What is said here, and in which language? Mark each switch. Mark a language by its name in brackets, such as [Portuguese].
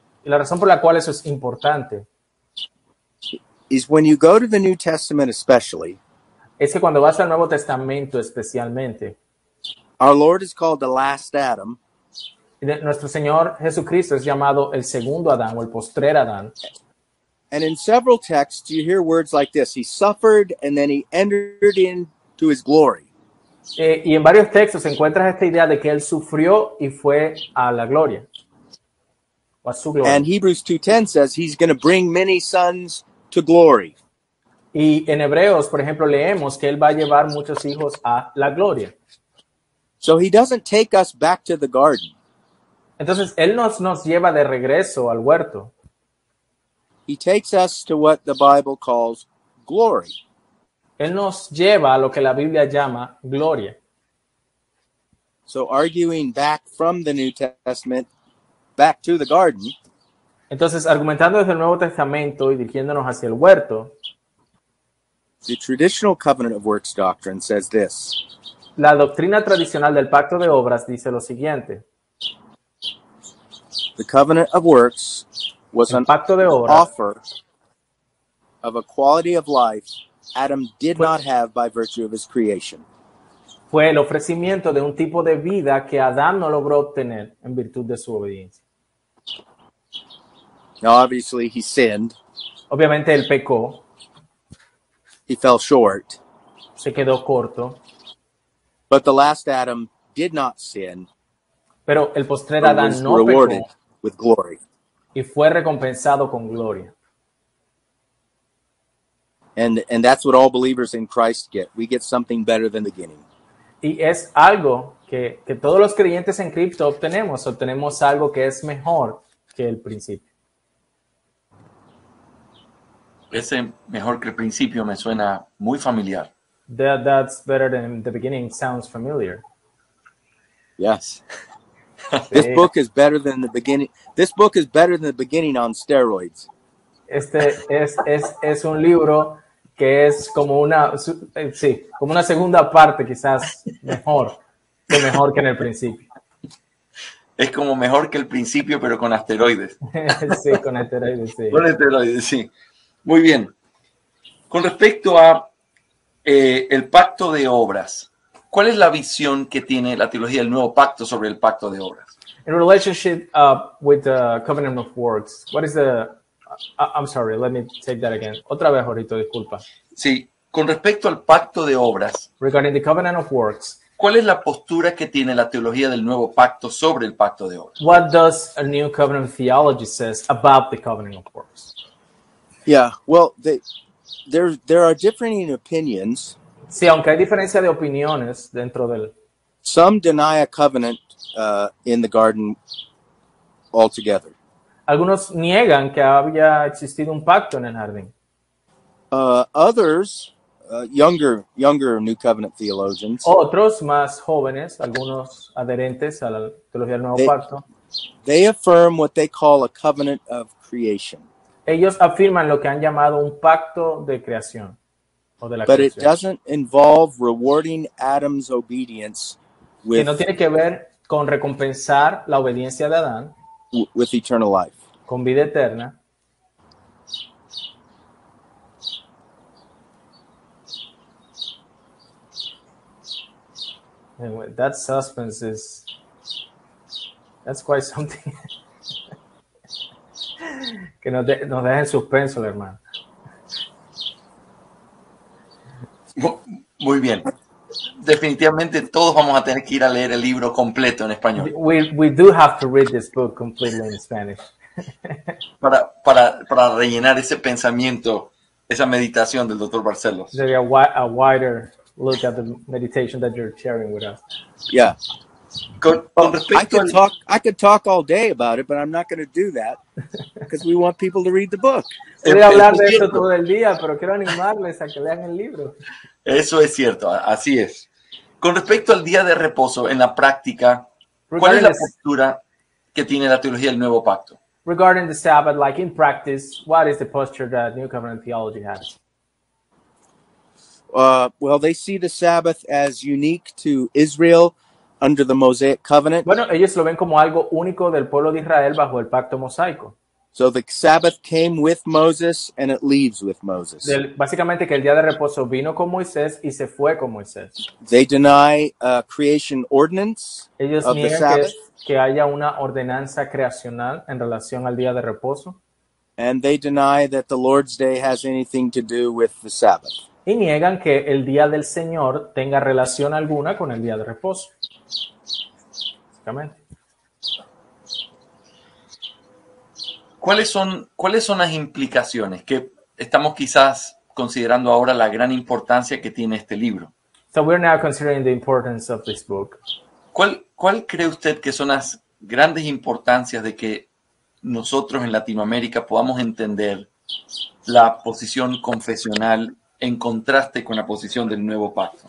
[Spanish] Y la razón por la cual eso es importante. [English] Is when you go to the New Testament especially. [Spanish] Es que cuando vas al Nuevo Testamento especialmente. [English] Our Lord is called the last Adam. [Spanish] Nuestro Señor Jesucristo es llamado el segundo Adán o el postrer Adán. [English] And in several texts you hear words like this. He suffered and then he entered into his glory. [Spanish] Y en varios textos encuentras esta idea de que él sufrió y fue a la gloria. O a su gloria. [English] And Hebrews 2:10 says he's going to bring many sons to glory. [Spanish] Y en Hebreos, por ejemplo, leemos que él va a llevar muchos hijos a la gloria. [English] So he doesn't take us back to the garden. [Spanish] Entonces, él nos lleva de regreso al huerto. [English] He takes us to what the Bible calls glory. [Spanish] Él nos lleva a lo que la Biblia llama gloria. [English] So arguing back from the New Testament back to the garden. [Spanish] Entonces, argumentando desde el Nuevo Testamento y dirigiéndonos hacia el huerto. [English] The traditional covenant of works doctrine says this. [Spanish] La doctrina tradicional del pacto de obras dice lo siguiente. [English] The covenant of works was an offer of a quality of life Adam did not have by virtue of his creation. [Spanish] Fue el ofrecimiento de un tipo de vida que Adán no logró obtener en virtud de su obediencia. [English] Now, obviously, he sinned. [Spanish] Obviamente, él pecó. [English] He fell short. [Spanish] Se quedó corto. [English] But the last Adam did not sin. [Spanish] Pero el postrer Adán no [English] rewarded [Spanish] pecó. [English] With glory. [Spanish] Y fue recompensado con gloria. [English] And that's what all believers in Christ get. We get something better than the beginning. [Spanish] Y es algo que todos los creyentes en Cristo obtenemos. Obtenemos algo que es mejor que el principio. Ese mejor que el principio me suena muy familiar. [English] That's better than the beginning sounds familiar. Yes. This book is better than the beginning. This book is better than the beginning on steroids. [Spanish] Este es un libro que es como una segunda parte quizás mejor que en el principio. Es como mejor que el principio pero con asteroides. Sí, con asteroides, sí. Con asteroides, sí. Muy bien. Con respecto a el pacto de obras, ¿cuál es la visión que tiene la teología del nuevo pacto sobre el pacto de obras? [English] In relationship with the covenant of works, what is the? I'm sorry. Let me take that again. [Spanish] Otra vez, Jorito, disculpa. Sí. Con respecto al pacto de obras. [English] Regarding the covenant of works. [Spanish] ¿Cuál es la postura que tiene la teología del nuevo pacto sobre el pacto de obras? [English] What does a new covenant theology says about the covenant of works? Yeah, well, there are differing opinions. [Spanish] Sí, aunque hay diferencia de opiniones dentro del... [English] Some deny a covenant in the garden altogether. [Spanish] Algunos niegan que había existido un pacto en el jardín. [English] Others, younger New Covenant theologians. [Spanish] Otros más jóvenes, algunos adherentes a la teología del Nuevo Pacto. [English] They affirm what they call a covenant of creation. [Spanish] Ellos afirman lo que han llamado un pacto de creación. [English] But it doesn't involve rewarding Adam's obedience with, [Spanish] que no tiene que ver con recompensar la obediencia de Adán, [English] with eternal life. [Spanish] Con vida eterna. [English] Anyway, that suspense is, that's quite something. [Spanish] Que nos deja en suspenso, hermano. Muy bien. Definitivamente todos vamos a tener que ir a leer el libro completo en español. [English] We do have to read this book completely in Spanish. [Spanish] Para rellenar ese pensamiento, esa meditación del Dr. Barcellos. [English] There's a wider look at the meditation that you're sharing with us. Yeah. I could talk all day about it, but I'm not going to do that because we want people to read the book. [Spanish] Voy a hablar de eso todo el día, pero quiero animarles a que lean el libro. Eso es cierto, así es. Con respecto al día de reposo en la práctica, ¿cuál es la postura que tiene la teología del Nuevo Pacto? [English] Regarding the Sabbath, like in practice, what is the posture that New Covenant theology has? Well, they see the Sabbath as unique to Israel under the Mosaic covenant. [Spanish] Bueno, ellos lo ven como algo único del pueblo de Israel bajo el pacto mosaico. [English] So the Sabbath came with Moses and it leaves with Moses. [Spanish] Básicamente que el día de reposo vino con Moisés y se fue con Moisés. [English] They deny a creation ordinance. [Spanish] Ellos niegan que haya una ordenanza creacional en relación al día de reposo. [English] And they deny that the Lord's Day has anything to do with the Sabbath. [Spanish] Y niegan que el día del Señor tenga relación alguna con el día de reposo. Básicamente. ¿Cuáles son las implicaciones que estamos quizás considerando ahora la gran importancia que tiene este libro? [English] So we're now considering the importance of this book. [Spanish] ¿Cuál cree usted que son las grandes importancias de que nosotros en Latinoamérica podamos entender la posición confesional en contraste con la posición del Nuevo Pacto?